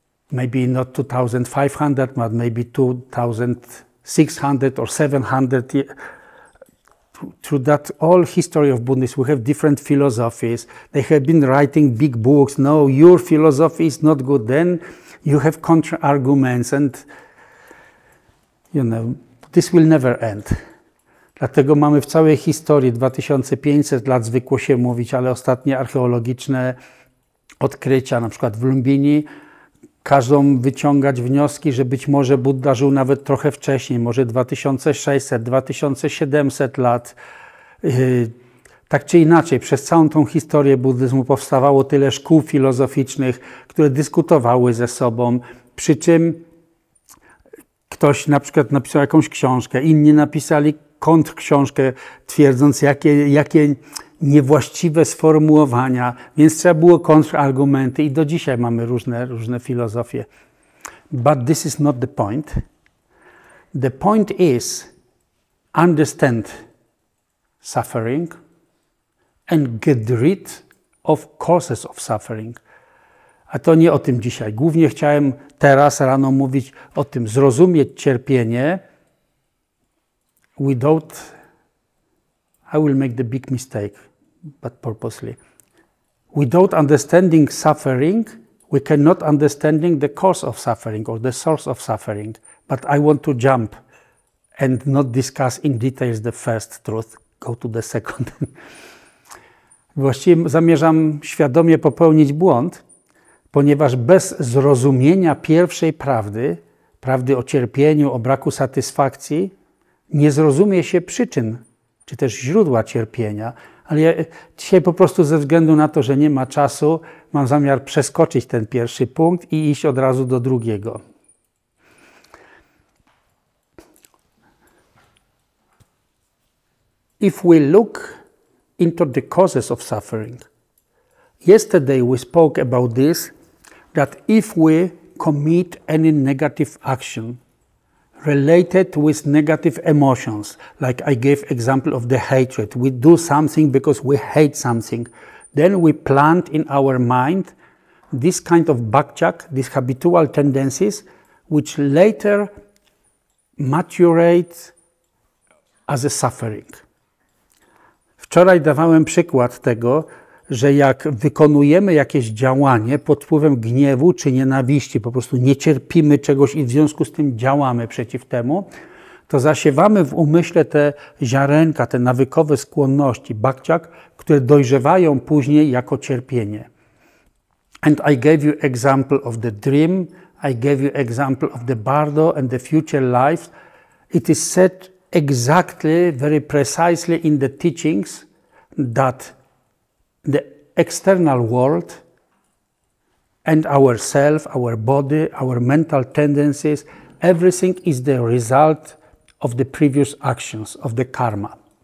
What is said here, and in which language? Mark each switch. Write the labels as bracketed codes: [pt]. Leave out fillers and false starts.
[en] Maybe not 2500, but maybe 2600 or 700. Through that all history of Buddhists, we have different philosophies. They have been writing big books. No, your philosophy is not good. Then you have counter-arguments and, you know, this will never end. [pl] Dlatego mamy w całej historii 2500 lat, zwykło się mówić, ale ostatnie archeologiczne odkrycia, na przykład w Lumbini, każą wyciągać wnioski, że być może Budda żył nawet trochę wcześniej, może 2600, 2700 lat. Tak czy inaczej, przez całą tą historię buddyzmu powstawało tyle szkół filozoficznych, które dyskutowały ze sobą, przy czym ktoś na przykład napisał jakąś książkę, inni napisali kontrksiążkę, twierdząc, jakie niewłaściwe sformułowania, więc trzeba było kontrargumenty i do dzisiaj mamy różne filozofie. [en] But this is not the point. The point is, understand suffering and get rid of causes of suffering. [pl] A to nie o tym dzisiaj. Głównie chciałem teraz rano mówić o tym, zrozumieć cierpienie [en] without... I will make the big mistake, but purposely. Without understanding suffering, we cannot understanding the cause of suffering or the source of suffering. But I want to jump and not discuss in details the first truth. Go to the second. [pl] Właściwie zamierzam świadomie popełnić błąd, ponieważ bez zrozumienia pierwszej prawdy, prawdy o cierpieniu, o braku satysfakcji, nie zrozumie się przyczyn, czy też źródła cierpienia. Ale ja dzisiaj po prostu ze względu na to, że nie ma czasu, mam zamiar przeskoczyć ten pierwszy punkt i iść od razu do drugiego. [en] If we look into the causes of suffering, yesterday we spoke about this, that if we commit any negative action related with negative emotions, like I gave example of the hatred, we do something because we hate something, then we plant in our mind this kind of bhakchak, these habitual tendencies, which later maturate as a suffering. [pl] Wczoraj dawałem przykład tego, że jak wykonujemy jakieś działanie pod wpływem gniewu czy nienawiści, po prostu nie cierpimy czegoś i w związku z tym działamy przeciw temu, to zasiewamy w umyśle te ziarenka, te nawykowe skłonności, bhakchak, które dojrzewają później jako cierpienie. [en] And I gave you example of the dream, I gave you example of the bardo and the future life. It is said exactly, very precisely in the teachings that the external world and ourself, our body, our mental tendencies, everything is the result of the previous actions, of the karma.